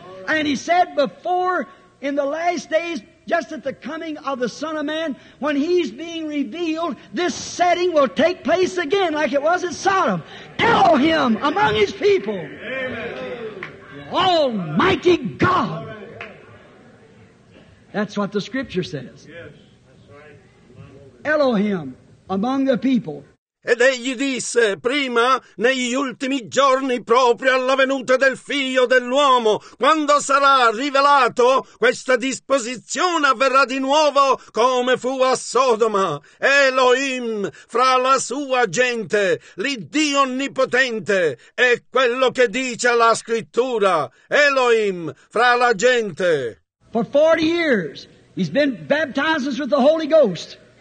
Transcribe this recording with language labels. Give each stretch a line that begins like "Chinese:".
English: And he said before, in the last days, just at the coming of the Son of Man, when he's being revealed, this setting will take place again like it was at Sodom. Elohim among his people. Amen. Almighty God. That's what the scripture says. Yes, that's right. Elohim among the people.
Italian: Ed egli disse, prima, negli ultimi giorni proprio alla venuta del figlio dell'uomo, quando sarà rivelato, questa disposizione avverrà di nuovo come fu a Sodoma. Elohim, fra la sua gente, l'Iddio Onnipotente, è quello che dice la scrittura. Elohim, fra la gente.
English: For 40 years, he's been baptized with the Holy Ghost.